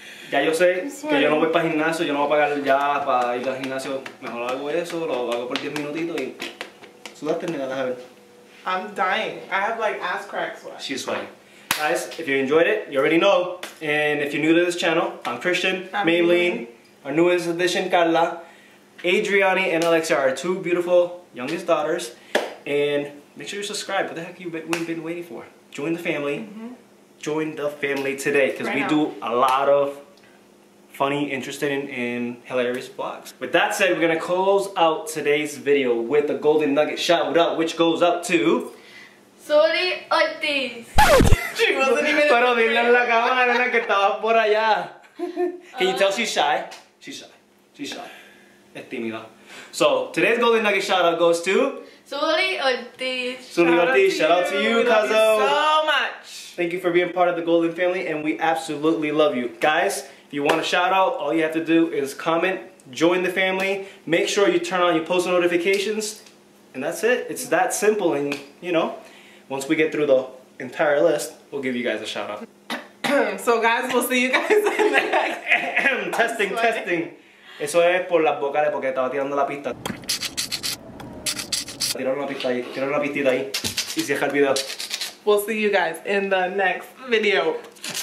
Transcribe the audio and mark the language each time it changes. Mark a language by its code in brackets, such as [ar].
[es] Ya yo sé que yo no voy para gimnasio, yo no voy a pagar ya para ir al gimnasio. Mejor hago eso, lo hago por 10 minutitos y sudaste, me ganas a ver. [en] I'm dying. I have like ass crack sweat. She's sweating. Guys, if you enjoyed it, you already know. And if you're new to this channel, I'm Christian, Maybelline, our newest addition, Carla, Adriani, and Alexia, our two beautiful youngest daughters. And make sure you subscribe. What the heck we've been waiting for? Join the family. Mm-hmm. Join the family today, because right we now. Do a lot of funny, interesting, and hilarious vlogs. With that said, we're going to close out today's video with a golden nugget shout out, which goes up to... Sorry, Ortiz. [es] Pero dile en la cámara, nena, que estabas por allá. [en] Can you tell she's shy? She's shy. She's shy. [es] Es tímida. [en] So, today's golden nugget shout out goes to... Suri Ortiz. Shout out to you, Kazo. Thank you so much. Thank you for being part of the golden family, and we absolutely love you. Guys, if you want a shout out, all you have to do is comment, join the family, make sure you turn on your post notifications, and that's it. It's that simple, and, you know, once we get through the entire list, we'll give you guys a shout out. So guys, we'll see you guys in the next. testing. [es] Eso es por las vocales porque estaba tirando la pista. Tiraron la pista ahí. Y cierra el video. [en] We'll see you guys in the next video.